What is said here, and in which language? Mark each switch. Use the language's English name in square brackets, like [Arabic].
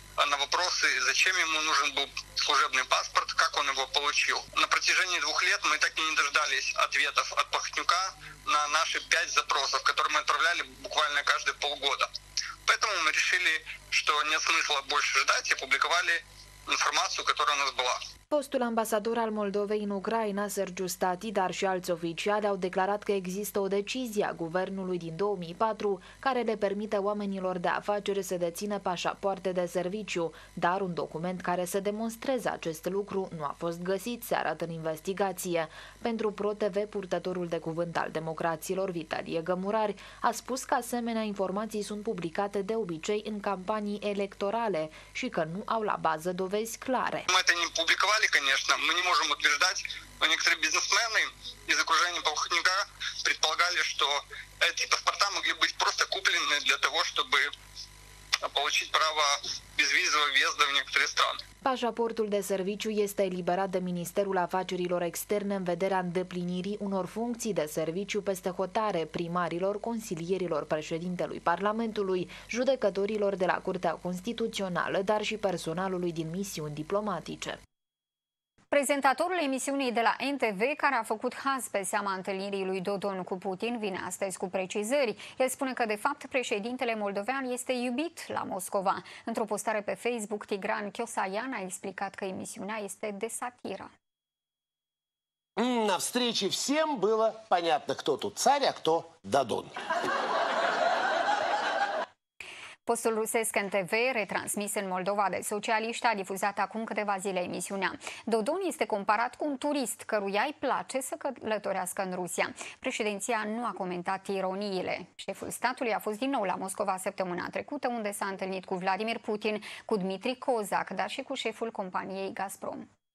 [Russian] На вопросы, зачем ему нужен был служебный паспорт, как он его получил. На протяжении 2 лет мы так и не дождались ответов от Пахнюка на наши 5 запросов, которые мы отправляли буквально каждые полгода. Поэтому мы решили, что нет смысла больше ждать, и публиковали информацию, которая у нас была. [Romanian] Postul ambasador al Moldovei în Ucraina, Sergiu Stati, dar și alți oficiali au declarat că există o decizie a guvernului din 2004 care le permite oamenilor de afaceri să dețină pașapoarte de serviciu, dar un document care să demonstreze acest lucru nu a fost găsit, se arată în investigație. Pentru ProTV, purtătorul de cuvânt al democraților, Vitalie Gămurari, a spus că asemenea informații sunt publicate de obicei în campanii electorale și că nu au la bază dovezi clare. [Russian] Конечно, мы не можем утверждать, но некоторые бизнесмены из окружения Плахотнюка предполагали, что эти паспорта могли быть просто куплены для того, чтобы получить право безвизового въезда в некоторые страны. [Romanian] Pașaportul de serviciu este eliberat de Ministerul Afacerilor Externe în vederea îndeplinirii unor funcții de serviciu peste hotare primarilor, consilierilor președintelui Parlamentului, judecătorilor de la Curtea Constituțională, dar și personalului din misiuni diplomatice. Prezentatorul emisiunii de la NTV, care a făcut haz pe seama întâlnirii lui Dodon cu Putin, vine astăzi cu precizări. El spune că, de fapt, președintele moldovean este iubit la Moscova. Într-o postare pe Facebook, Tigran Chiosaian a explicat că emisiunea este de satiră. [Russian] La встречи всем было понятно, кто тут царь, а кто Дадон. [Romanian] Postul rusesc NTV, retransmis în Moldova de socialiști, a difuzat acum câteva zile emisiunea. Dodon este comparat cu un turist căruia îi place să călătorească în Rusia. Președinția nu a comentat ironiile. Șeful statului a fost din nou la Moscova săptămâna trecută, unde s-a întâlnit cu Vladimir Putin, cu Dmitri Kozak, dar și cu șeful companiei Gazprom.